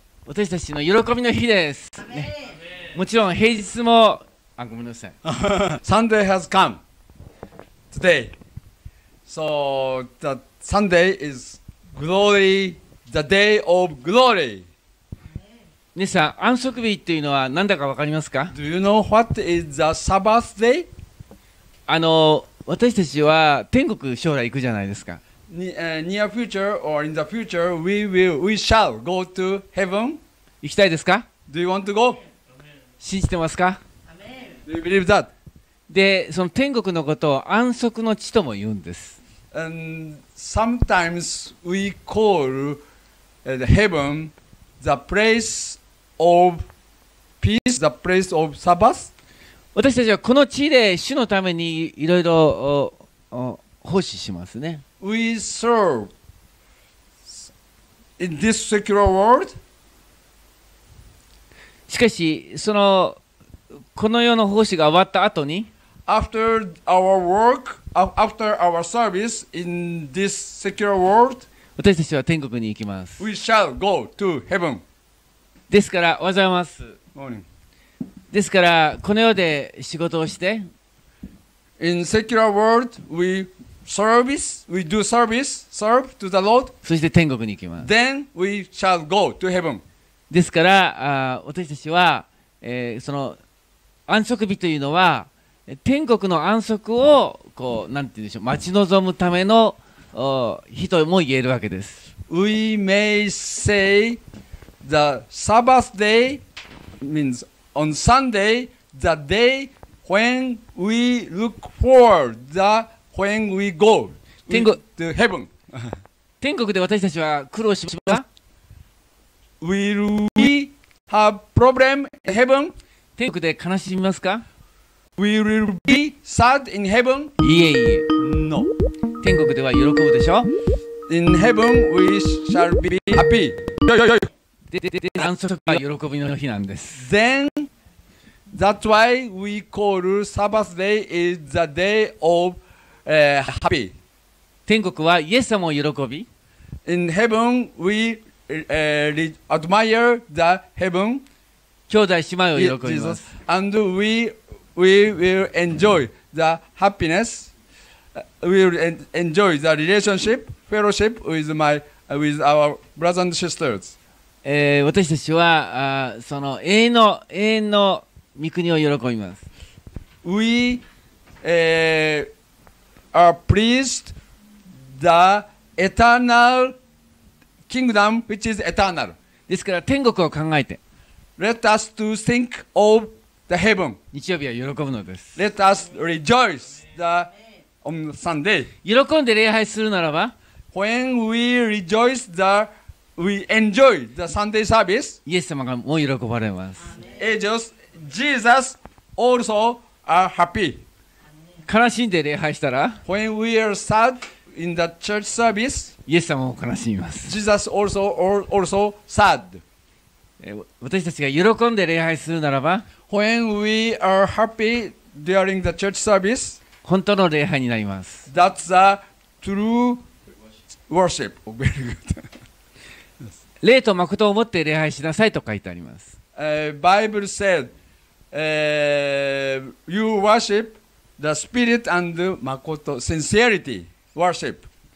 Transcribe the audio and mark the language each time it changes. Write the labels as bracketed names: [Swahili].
[Japanese] 私たちの喜びの日です、ね、もちろん平日もあごめんなさい [English] Sunday has come today So the Sunday is glory the day of glory [Japanese] 皆さん安息日というのは何だか分かりますか [English] Do you know what is the Sabbath day? [Japanese] 私たちは天国将来行くじゃないですか [English] Near future or in the future we shall go to heaven [Japanese] 行きたいですか [English] Do you want to go? [Japanese] 信じてますか [English] Do you believe that? [Japanese] で、その天国のことを安息の地とも言うんです [English] And sometimes we call heaven the place of peace, the place of Sabbath [Japanese] 私たちはこの地で主のためにいろいろ奉仕しますね。 [English] We serve in this secular world. [Japanese] しかし、そのこの世の奉仕が終わった後に、 [English] After our work, after our service in this secular world, [Japanese] 私たちは天国に行きます。 [English] We shall go to heaven. [Japanese] ですから、おはようございます。 [English] Morning. [Japanese] ですから、この世で仕事をして [English] In secular world, we service, we do service, serve to the Lord. [Japanese] そして天国に行きます。 [English] Then we shall go to heaven. [Japanese] ですから、私たちは、その安息日というのは、天国の安息をこう、なんて言うでしょう、待ち望むための日とも言えるわけです。 [English] We may say the Sabbath day means On Sunday, the day when we look forward, the when we go to heaven. [Japanese] 天国で私たちは苦労しますか [English] Will we have problem in heaven? [Japanese] 天国で悲しみますか [English] Will we sad in heaven? [Japanese] いえいえ。 [English] No. [Japanese] 天国では喜ぶでしょ [English] In heaven, we shall be happy. [Japanese] で、安息は喜びの日なんです。 [English] Then,That's why we call Sabbath day is the day of happy. [Japanese] 天国はイエス様を喜び。 [English] In heaven, we admire the heaven. [Japanese] 兄弟姉妹を喜びます。 [English] And we will enjoy the happiness. We will enjoy the relationship, fellowship with our brothers and sisters. [Japanese] 私たちはその永遠の御国を喜びます。 [English] We are pleased the eternal kingdom which is eternal. [Japanese] ですから天国を考えて。 [English] Let us to think of the heaven. [Japanese] 日曜日は喜ぶのです。 [English] Let us rejoice on Sunday. [Japanese] 喜んで礼拝するならば。 [English] When we rejoice we enjoy the Sunday service. [Japanese] イエス様がもう喜ばれます。 [English] Angels. Jesus also are happy. [Japanese] 悲しんで礼拝したら [English] When we are sad in the church service, [Japanese] イエス様も悲しみます。 [English] Jesus also sad. [Japanese] 私たちが喜んで礼拝するならば [English] When we are happy during the church service, [Japanese] 本当の礼拝になります。 [English] That's the true worship. Very good. [Japanese] 礼と誠を持って礼拝しなさいと書いてあります。 [English] Bible said,you worship the spirit and makoto sincerity worship.